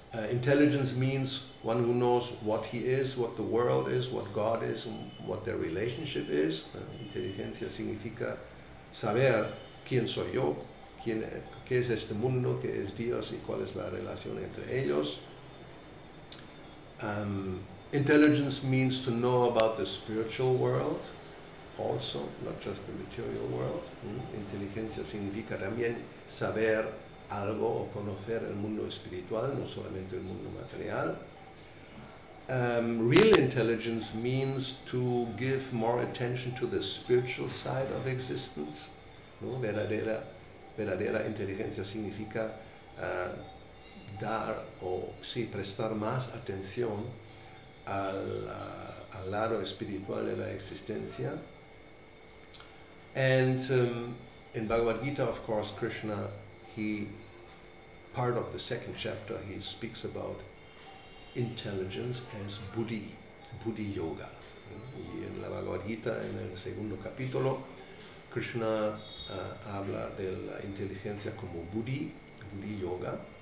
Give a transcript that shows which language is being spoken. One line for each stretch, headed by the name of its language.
English: Intelligence means one who knows what he is, what the world is, what God is, and what their relationship is.
Spanish: Inteligencia significa saber quién soy yo, qué es este mundo, qué es Dios y cuál es la relación entre ellos.
English: Intelligence means to know about the spiritual world also, not just the material world.
Spanish: Inteligencia significa también saber algo o conocer el mundo espiritual, no solamente el mundo material.
English: Real intelligence means to give more attention to the spiritual side of existence.
Spanish: ¿No? Verdadera inteligencia significa dar o sí, prestar más atención al lado espiritual de la existencia.
English: And in Bhagavad Gita, of course, Krishna, part of the second chapter, he speaks about intelligence as Bhakti-yoga.
Spanish: Y en la Bhagavad Gita, en el segundo capítulo, Krishna habla de la inteligencia como Bhakti-yoga.